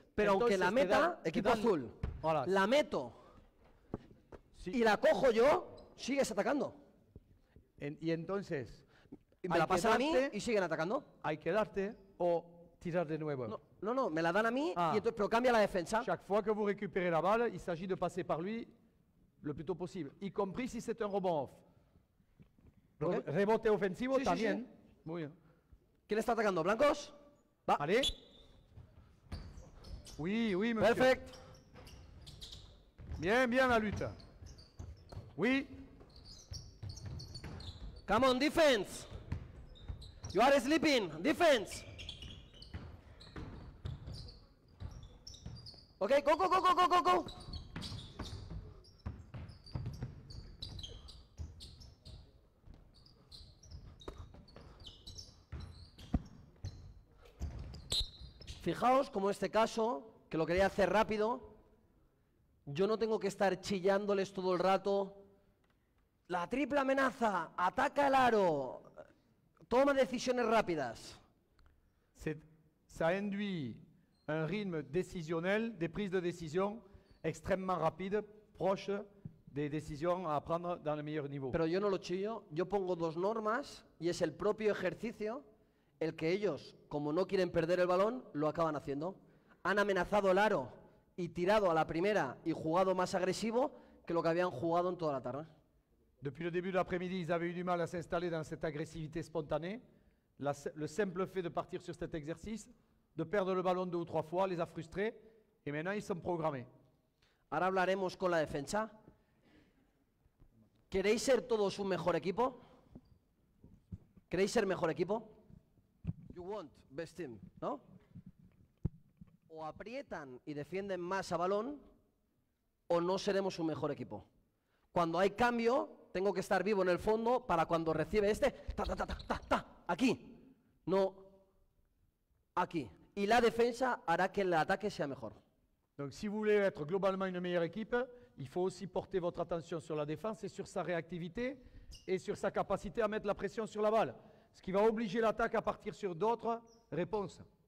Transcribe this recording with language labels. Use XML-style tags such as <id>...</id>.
<es>Pero entonces, aunque la meta, equipo azul, la meto sí. y la cojo yo, sigues atacando. Y entonces, me la pasan a mí y siguen atacando. Hay que darte o tirar de nuevo. No, me la dan a mí, y entonces, pero cambia la defensa.</es> <fr>Chaque fois que vous récupérez la balle, il s'agit de passer par lui le plus tôt possible, y compris si c'est un rebond off.</fr> <es>Okay. Rebote ofensivo sí, también. Sí, sí. Muy bien. ¿Quién está atacando? ¿Blancos? Va. Vale.</es> <fr>Oui, oui, monsieur.</fr> <en>Perfect.</en> <es>Bien, bien la lucha. Oui.</es> <en>Come on, defense. You are sleeping. Defense. Okay, go, go, go, go, go, go, go.</en> <es>Fijaos cómo este caso, que lo quería hacer rápido, yo no tengo que estar chillándoles todo el rato. La triple amenaza, ataca el aro, toma decisiones rápidas.</es> <fr>Ça induit un rythme décisionnel, des prises de décision extrêmement rapide, proche des décisions à prendre dans le meilleur niveau.</fr> <es>Pero yo no lo chillo, yo pongo dos normas y es el propio ejercicio. El que ellos, como no quieren perder el balón, lo acaban haciendo. Han amenazado el aro y tirado a la primera y jugado más agresivo que lo que habían jugado en toda la tarde.</es> <fr>Depuis le début de l'après-midi, ils avaient eu du mal à s'installer dans cette agressivité spontanée. Le simple fait de partir sur cet exercice, de perdre le ballon deux ou trois fois, les a frustrés. Et maintenant, ils sont programmés.</fr> <es>Ahora hablaremos con la defensa. ¿Queréis ser todos un mejor equipo? ¿Queréis ser mejor equipo?</es> <en>You want best team,</en> <es>¿no? O aprietan y defienden más a balón, o no seremos un mejor equipo. Cuando hay cambio, tengo que estar vivo en el fondo para cuando recibe este, ta, ta, ta, ta, ta, ta, aquí, no aquí. Y la defensa hará que el ataque sea mejor.</es> <fr>Donc, si vous voulez être globalement une meilleure équipe, il faut aussi porter votre attention sur la défense et sur sa réactivité et sur sa capacité à mettre la pression sur la balle. Ce qui va obliger l'attaque à partir sur d'autres réponses.</fr>